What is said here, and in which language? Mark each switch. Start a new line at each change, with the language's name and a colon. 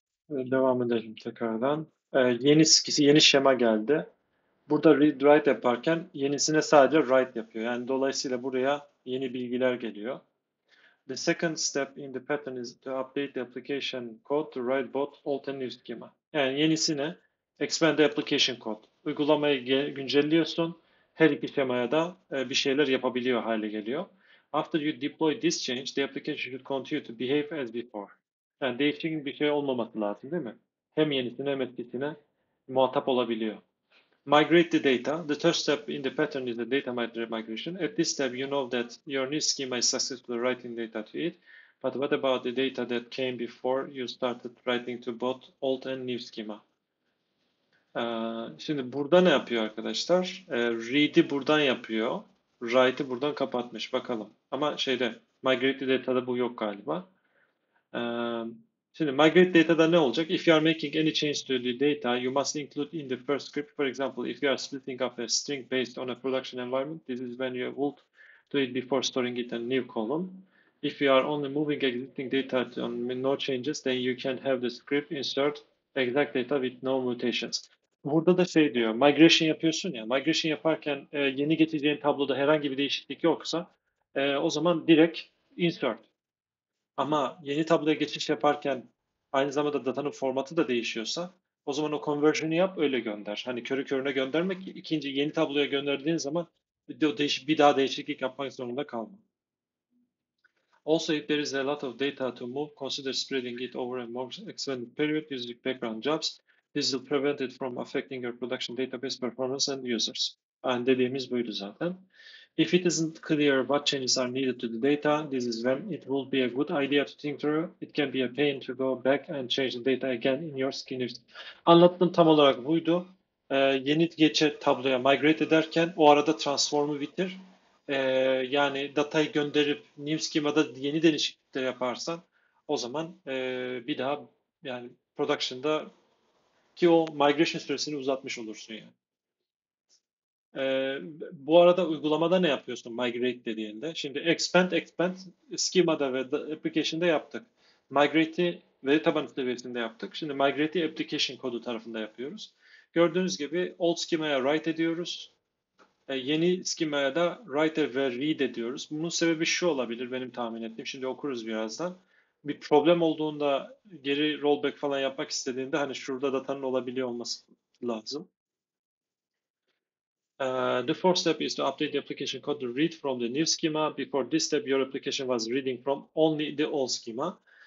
Turkish: Devam edelim tekrardan. Yeni şema geldi. Burada read write yaparken yenisine sadece write yapıyor. Yani dolayısıyla buraya yeni bilgiler geliyor.
English: The second step in the pattern is to update the application code to write both old and new schema.
Turkish: Yani yenisine
English: expand the application code.
Turkish: Uygulamayı güncelliyorsun. Her iki şemaya da bir şeyler yapabiliyor hale geliyor.
English: After you deploy this change, the application should continue to behave as before.
Turkish: Yani değişik bir şey olmaması lazım, değil mi? Hem yenisine hem eskisine muhatap olabiliyor.
English: Migrate the data. The third step in the pattern is the data migration. At this step, you know that your new schema is successfully writing data to it. But what about the data that came before you started writing to both old and new schema?
Turkish: Şimdi burada ne yapıyor arkadaşlar? Read'i buradan yapıyor. Write'i buradan kapatmış. Bakalım. Ama şeyde, migrate the data'da bu yok galiba. Şimdi migrate data'da ne olacak?
English: If you are making any change to the data, you must include in the first script. For example, if you are splitting up a string based on a production environment, this is when you would do it before storing it in a new column. If you are only moving existing data on no changes, then you can have the script insert exact data with no mutations.
Turkish: Burada da şey diyor, migration yapıyorsun ya, migration yaparken yeni getireceğin tabloda herhangi bir değişiklik yoksa o zaman direkt insert. Ama yeni tabloya geçiş yaparken aynı zamanda datanın formatı da değişiyorsa o zaman o conversion'ı yap öyle gönder. Hani körü körüne göndermek ikinci yeni tabloya gönderdiğin zaman bir daha değişiklik yapmak zorunda kalma.
English: Also if there is a lot of data to move, consider spreading it over a more extended period using background jobs. This will prevent it from affecting your production database performance and users. And
Turkish: dediğimiz buydu zaten.
English: If it isn't clear what changes are needed to the data, this is when it would be a good idea to think through. It can be a pain to go back and change the data again in your schema.
Turkish: Anlattığım tam olarak buydu. Yeni geçe tabloya migrate ederken o arada transform'u bitir. Yani datayı gönderip new schema'da yeni değişiklikler yaparsan o zaman bir daha yani production'da ki o migration süresini uzatmış olursun yani. Bu arada uygulamada ne yapıyorsun migrate dediğinde? Şimdi expand schema'da ve application'da yaptık. Migrate'i veri tabanı seviyesinde yaptık. Şimdi migrate'i application kodu tarafında yapıyoruz. Gördüğünüz gibi old schema'ya write ediyoruz. Yeni schema'ya da write ve read ediyoruz. Bunun sebebi şu olabilir benim tahmin ettiğim. Şimdi okuruz birazdan. Bir problem olduğunda geri rollback falan yapmak istediğinde hani şurada datanın olabiliyor olması lazım.
English: The fourth step is to update the application code to read from the new schema. Before this step, your application was reading from only the old schema.